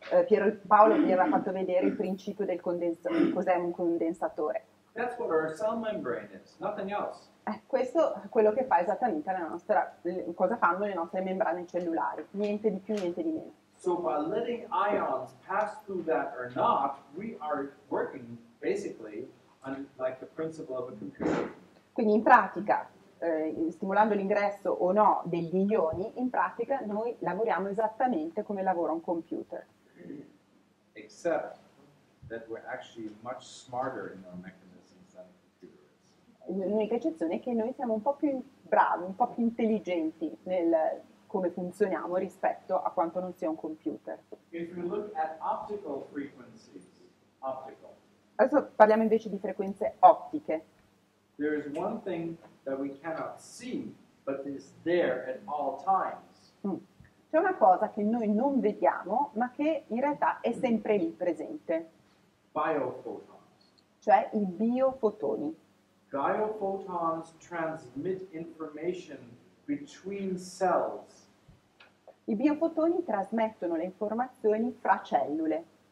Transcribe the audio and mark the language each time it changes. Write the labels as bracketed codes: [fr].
[it] Piero Paolo mi aveva fatto vedere il principio del condensatore, cos'è un condensatore. [en] That's what our cell membrane is, nothing else. [it] Questo è quello che fa esattamente cosa fanno le nostre membrane cellulari, niente di più, niente di meno. [en] So by letting ions pass through that or not, we are working basically on like the principle of a computer. [it] Quindi in pratica, stimolando l'ingresso o no degli ioni, in pratica noi lavoriamo esattamente come lavora un computer. [en] Except that we're actually much smarter in our mechanisms than a computer is. [it] L'unica eccezione è che noi siamo un po' più bravi, un po' più intelligenti nel come funzioniamo rispetto a quanto non sia un computer. [en] If we look at optical frequencies, optical, [it] Adesso parliamo invece di frequenze ottiche. [en] there is one thing that we cannot see, but is there at all times. [it] C'è una cosa che noi non vediamo, ma che in realtà è sempre lì presente, [en] Biophotons. [it] cioè i biofotoni. [en] Biophotons transmit information between cells. [it] I biofotoni trasmettono le informazioni fra cellule.